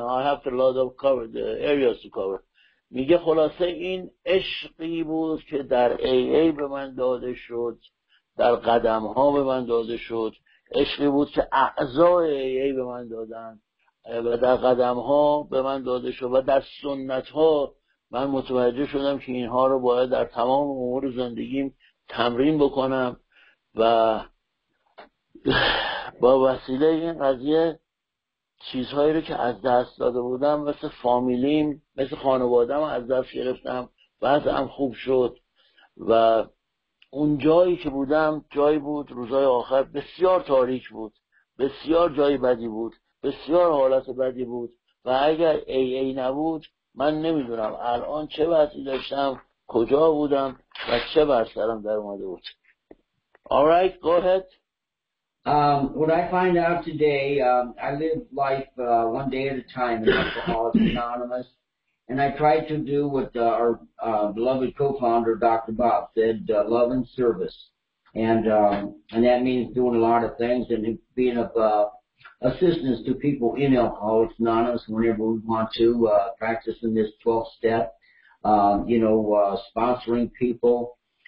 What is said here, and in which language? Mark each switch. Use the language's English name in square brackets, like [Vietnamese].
[English] I have to load up cover the areas to cover. [Persian] میگه خلاصه این عشقی بود که در AA به من داده شد، در قدم ها به من داده شد، عشقی بود که اعضای AA به من دادن و در قدم ها به من داده شد و در سنت ها من متوجه شدم که اینها رو باید در تمام امور زندگیم تمرین بکنم و با وسیله این قضیه چیزهایی رو که از دست داده بودم مثل فامیلیم، مثل خانوادم از دست گرفتم، وضعم خوب شد و اون جایی که بودم جایی بود روزهای آخر بسیار تاریک بود، بسیار جایی بدی بود، بسیار حالت بدی بود و اگر AA نبود من نمیدونم الان چه وضعی داشتم، کجا بودم و چه بر سرم در اومده بود. [English] Alright, go ahead. What I find out today, I live life one day at a time in Alcoholics Anonymous, and I try to do what our beloved co-founder, Dr. Bob, said, love and service. And that means doing a lot of things and being of assistance to people in Alcoholics Anonymous whenever we want to, practicing this 12th step, sponsoring people.